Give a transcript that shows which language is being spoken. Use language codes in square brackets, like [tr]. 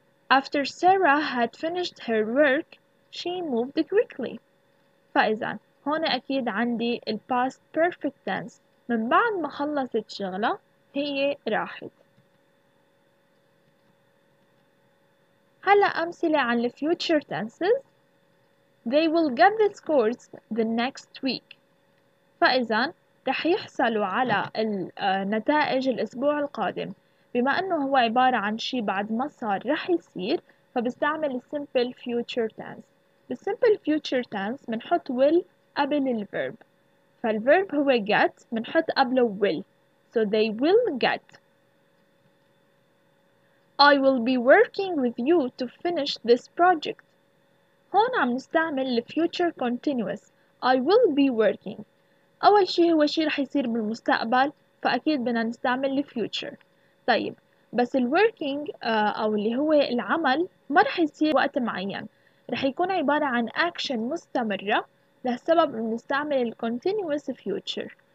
[en] After Sarah had finished her work, she moved quickly. [ar] فإذا هون أكيد عندي ال past perfect tense، من بعد ما خلصت شغلها هي راحت. هلأ أمثلة عن the future tenses. [en] They will get the scores the next week. [ar] فإذا رح يحصلوا على النتائج الأسبوع القادم. بما أنه هو عبارة عن شيء بعد ما صار رح يصير، فبستعمل simple future tense. [en] The simple future tense [ar] منحط [en] will [ar] قبل الverb. فالverb هو get، منحط قبله will. [en] So they will get. I will be working with you to finish this project. [ar] هون عم نستعمل the future continuous. [en] I will be working. [ar] أول شيء هو شيء رح يصير بالمستقبل، فأكيد بدنا نستعمل the future. طيب بس ال working أو اللي هو العمل ما رح يصير وقت معين، رح يكون عبارة عن action مستمرة، لسبب بنستعمل the continuous future.